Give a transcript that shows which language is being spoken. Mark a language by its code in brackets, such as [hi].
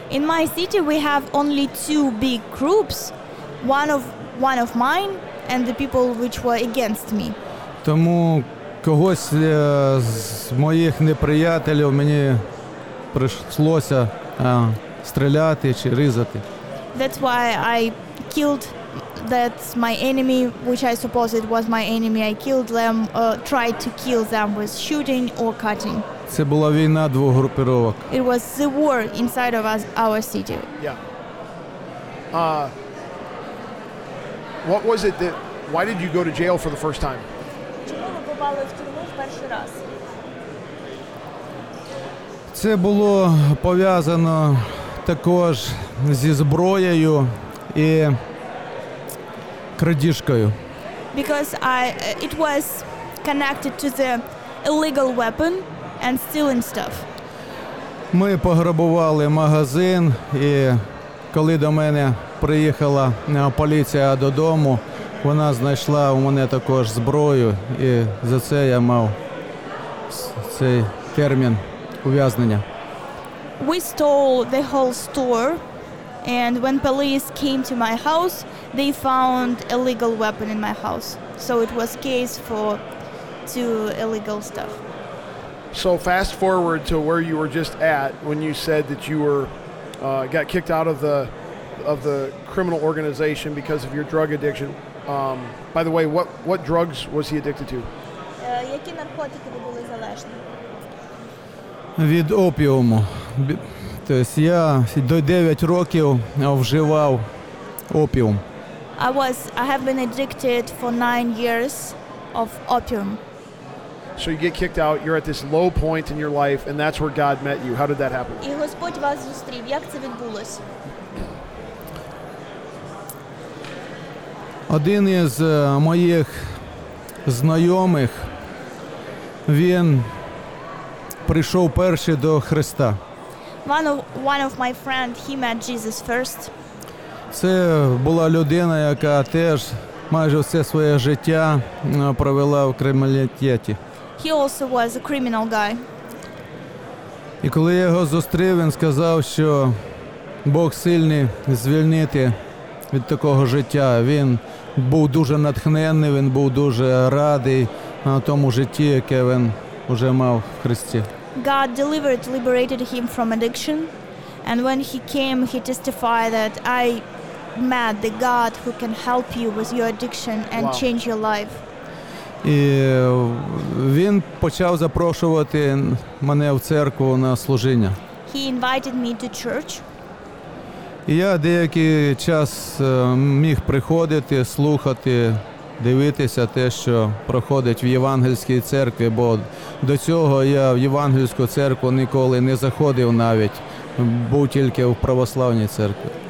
[en] In my city we have only two big groups, one of mine and the people which were against me. [uk] Тому когось з моїх неприятелів мені прийшлося стріляти чи різати. [en] That's why I killed that's my enemy, which I suppose it was my enemy. I killed them, tried to kill them with shooting or cutting. [uk] Це була війна двох групировок. [en] It was the war inside of us, our city. Yeah. What was it that, why did you go to jail for the first time? [uk] Чому ви попали в тюрму вперше раз? Це було пов'язано також зі зброєю і крадіжкою. [en] Because it was connected to the illegal weapon and stealing stuff. [uk] Ми пограбували магазин, і коли до мене приїхала поліція додому, вона знайшла у мене також зброю, і за це я мав цей термін ув'язнення. [en] We stole the whole store, and when police came to my house, they found a legal weapon in my house. So it was case for two illegal stuff. So fast forward to where you were just at when you said that you were got kicked out of the criminal organization because of your drug addiction. By the way, what drugs was he addicted to? [uk] Які наркотики ви були залежні? Від опіуму. Тобто я до 9 років вживав опіум. [en] I have been addicted for 9 years of opium. So you get kicked out, you're at this low point in your life, and that's where God met you. How did that happen? [uk] І Господь вас зустрів. Як це відбулося? Один із моїх знайомих, він прийшов перший до Христа. [en] One of my friend, he met Jesus first. [uk] Це була людина, яка теж майже все своє життя провела в криміналітеті. [en] He also was a criminal guy. [uk] І коли я його зустрів, він сказав, що Бог сильний звільнити від такого життя. Він був дуже натхнений, він був дуже радий на тому житті, яке він уже мав в Христі. [en] God delivered, liberated him from addiction. And when he came, he testified that I met the God who can help you with your addiction and wow. change your life. [uk] І він почав запрошувати мене в церкву на служіння. [en] He invited me to church. [uk] І я деякий час міг приходити, слухати, дивитися те, що проходить в євангельській церкві, бо до цього я в євангельську церкву ніколи не заходив навіть, був тільки в православній церкві.